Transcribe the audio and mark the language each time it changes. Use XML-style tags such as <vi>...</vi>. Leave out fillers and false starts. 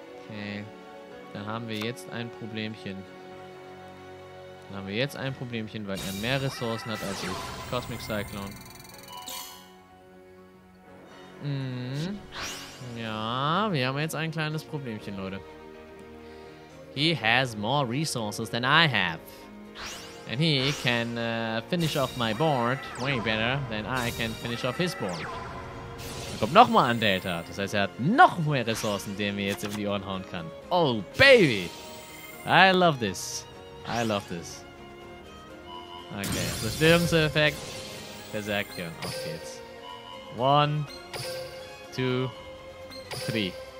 <de>Okay. Dann haben wir jetzt ein Problemchen. Dann haben wir jetzt ein Problemchen, weil er mehr Ressourcen hat als ich. Cosmic Cyclone. Ja, wir haben jetzt ein kleines Problemchen, Leute.</de> <en>He has more resources than I have. And he can finish off my board way better than I can finish off his board.</en> <de>Er kommt nochmal an Delta. Das heißt, er hat noch mehr Ressourcen, die er mir jetzt in die Ohren hauen kann.</de> <en>Oh, baby! I love this. I love this.</en> <de>Okay, Zerstörungseffekt. Berserkion, auf geht's.</de> <en>One, two, three.</en>